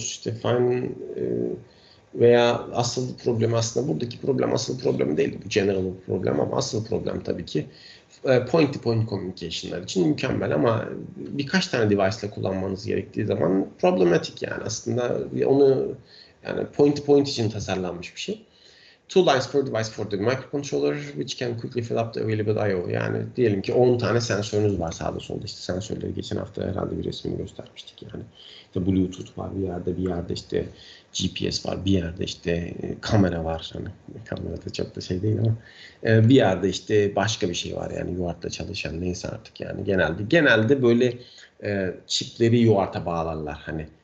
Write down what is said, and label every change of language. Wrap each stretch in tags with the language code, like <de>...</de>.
<tr>İşte fine veya asıl problem aslında buradaki problem asıl problem değil. Bu general problem ama asıl problem tabii ki point to point communication'lar için mükemmel ama birkaç tane device ile kullanmanız gerektiği zaman problematik yani aslında onu yani point to point için tasarlanmış bir şey.</tr> <en>Two lines per device for the microcontroller which can quickly fill up the available I/O.</en> <tr>Yani diyelim ki 10 tane sensörünüz var sağda solda işte sensörleri geçen hafta herhalde bir resmini göstermiştik yani. İşte Bluetooth var bir yerde işte GPS var bir yerde işte kamera var hani kamera da çok da şey değil ama bir yerde işte başka bir şey var yani UART'ta çalışan neyse artık yani genelde böyle çipleri UART'a bağlarlar hani</tr>